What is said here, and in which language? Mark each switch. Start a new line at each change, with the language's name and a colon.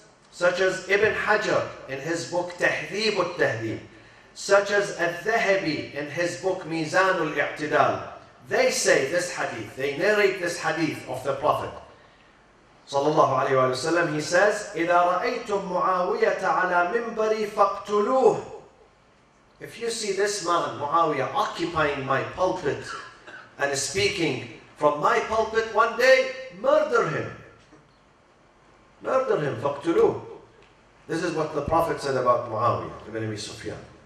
English: Such as Ibn Hajar in his book Tahdhib al-Tahdhib, such as Al-Dhahabi in his book Mizan al-I'tidal, they say this hadith, they narrate this hadith of the Prophet sallallahu alaihi wasallam. He says,
Arabic: إِذَا رَأَيْتُم مُعَاوِيَةَ عَلَى مِنْبَرِي فَاقْتُلُوهُ.
English: If you see this man, Muawiyah, occupying my pulpit and speaking from my pulpit one day, murder him. Murder him, faqtulu. This is what the Prophet said about Muawiyah, Ibn Abi Sufyan.